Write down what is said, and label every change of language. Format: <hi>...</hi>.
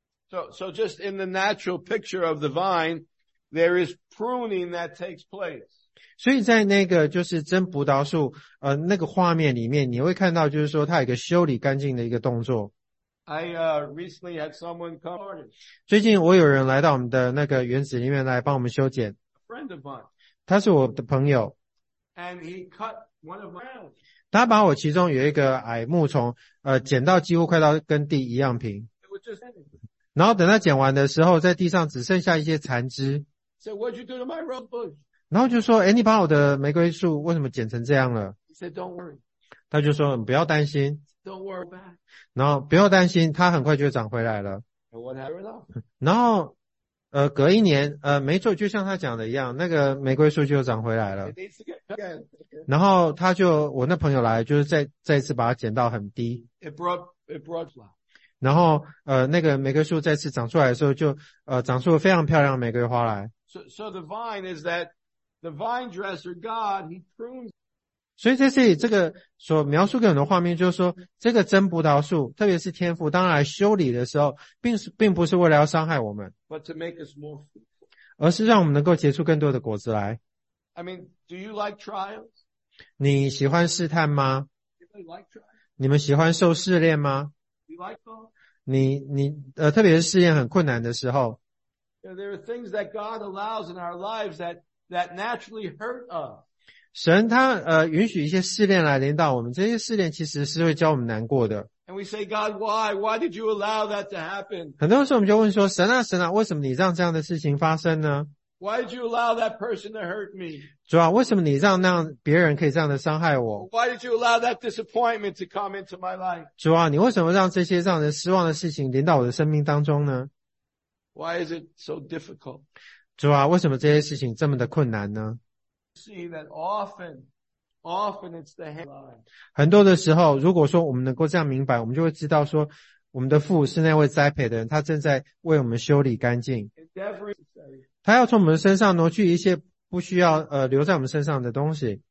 <en>So just in the natural picture of the vine, there is pruning that takes place.</en> <zh>所以在那个就是真葡萄树那个画面里面，你会看到就是说它有一个修理干净的一个动作。</zh> <en>I recently had someone come.</en> <zh>最近我有人来到我们的那个园子里面来帮我们修剪。</zh> <en>A friend of mine.</en> <zh>他是我的朋友。</zh> <en>And he cut one of my branches.</en> <zh>他把我其中有一个矮木丛剪到几乎快到跟地一样平。</zh> <en>It was just</en> <zh>anything. 然后等他剪完的时候，在地上只剩下一些残枝。</zh> <en>So what'd you do to my rose bush?</en> <zh>然后就说，哎，你把我的玫瑰树为什么剪成这样了？</zh> <en>He said, "Don't worry."</en> <zh>他就说，不要担心。</zh> <en>Don't worry about it.</en> <zh>然后不要担心，它很快就长回来了。然后隔一年没错，就像他讲的一样，那个玫瑰树就长回来了。然后他就我那朋友来，就是再次把它剪到很低。</zh> <en>It brought flowers.</en> <zh>然后那个玫瑰树再次长出来的时候就长出了非常漂亮的玫瑰花来。</zh> <en>So the vine is that the vine dresser God, he prunes.</en> <zh>所以在这里这个所描述给我们的画面就是说这个真葡萄树特别是天父当来修理的时候并不是为了要伤害我们。</zh> <en>But to make us more fruitful.</en> <zh>而是让我们能够结出更多的果子来。</zh> <en>I mean, do you like trials?</en> <zh>你喜欢试探吗？</zh> <en>Do you like trials?</en> <zh>你们喜欢受试炼吗？</zh> <en>Do you like them?</en> <zh>你特别是试验很困难的时候。</zh> <en>You know, there are things that God allows in our lives that naturally hurt us.</en> <zh>神他允许一些试炼来临到我们，这些试炼其实是会教我们难过的。</zh> <en>And we say, God, why? Why did you allow that to happen?</en> <zh>很多时候我们就问说，神啊，神啊，为什么你让这样的事情发生呢？</zh> <en>Why did you allow that person to hurt me?</en> <zh>主啊，为什么你让别人可以这样的伤害我？</zh> <en>Why did you allow that disappointment to come into my life?</en> <zh>主啊，你为什么让这些让人失望的事情临到我的生命当中呢？</zh> <en>Why is it so difficult?</en> <zh>主啊，为什么这些事情这么的困难呢？</zh> <en>See that often it's the hand.</en> <zh>很多的时候如果说我们能够这样明白我们就会知道说我们的父是那位栽培的人他正在为我们修理干净他要从我们身上挪去一些不需要留在我们身上的东西</zh>